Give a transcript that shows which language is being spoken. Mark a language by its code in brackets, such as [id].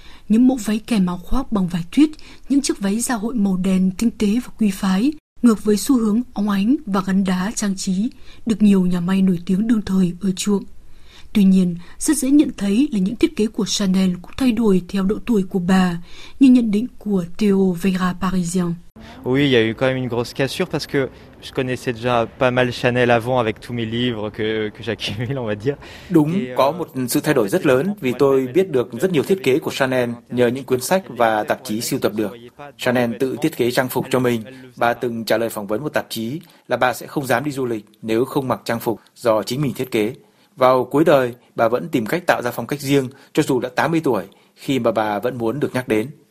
[vi] Những mẫu váy kèm áo khoác bằng vải tuyết, những chiếc váy dạ hội màu đen tinh tế và quý phái, ngược với xu hướng óng ánh và gắn đá trang trí, được nhiều nhà may nổi tiếng đương thời ưa chuộng. Tuy nhiên, rất dễ nhận thấy là những thiết kế của Chanel cũng thay đổi theo độ tuổi của bà, như nhận định của Theo Veyra Parisien. [fr] Oui, il y a eu quand même une grosse cassure parce que je connaissais déjà pas mal Chanel avant avec tous mes livres que j'accumule, on va dire. [vi] Đúng, có một sự thay đổi rất lớn vì tôi biết được rất nhiều thiết kế của Chanel nhờ những cuốn sách và tạp chí sưu tập được. Chanel tự thiết kế trang phục cho mình. Bà từng trả lời phỏng vấn một tạp chí là bà sẽ không dám đi du lịch nếu không mặc trang phục do chính mình thiết kế. Vào cuối đời, bà vẫn tìm cách tạo ra phong cách riêng cho dù đã 80 tuổi, khi mà bà vẫn muốn được nhắc đến.